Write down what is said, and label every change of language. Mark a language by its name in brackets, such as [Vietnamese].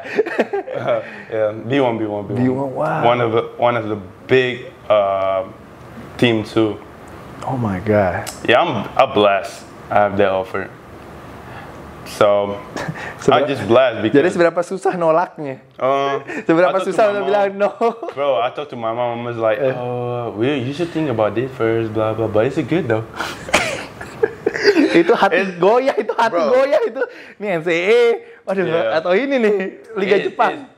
[English] Yeah, B1. B1, wow. One of the big team, too. Oh, my God. Yeah, I'm blessed. I have that offer. So, I'm just blessed because. [Indonesian] Jadi seberapa susah nolaknya? Seberapa susah untuk bilang no? [English] Bro, I talked to my mom. Mom was like, you should think about this first, blah blah. But it's good though. [Indonesian] Itu hati goyah, itu hati goyah itu. Ini NCAA, waduh, atau ini nih, Liga Jepang.